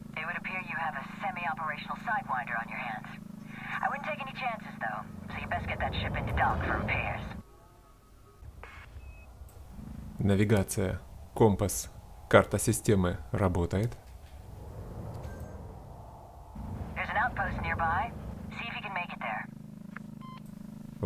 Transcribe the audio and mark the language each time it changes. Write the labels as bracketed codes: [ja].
[en] It would appear you have a semi-operational sidewinder on your hands. I wouldn't take any chances, though, so you best get that ship into dock for repairs. [ru] Навигация. Компас. Карта системы работает. [en] There's an outpost nearby. See if you can make it there.